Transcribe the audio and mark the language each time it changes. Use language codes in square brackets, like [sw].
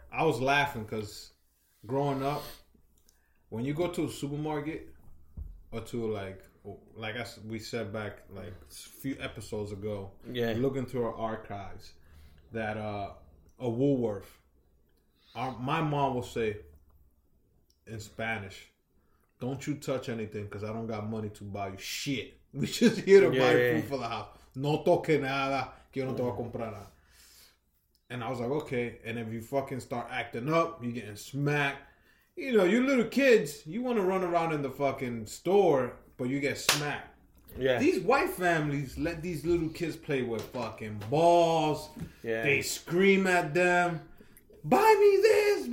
[en] I was laughing because growing up, when you go to a supermarket or to like as we said back like a few episodes ago, looking through our archives, that a Woolworth, my mom will say in Spanish, don't you touch anything because I don't got money to buy you shit. We just here to buy food for the house. [es] No toque nada, que yo no te voy a comprar nada. [en] And I was like, okay. And if you fucking start acting up, you're getting smacked. You know, you little kids, you want to run around in the fucking store, but you get smacked. Yeah. These white families let these little kids play with fucking balls. Yeah. They scream at them. Buy me this.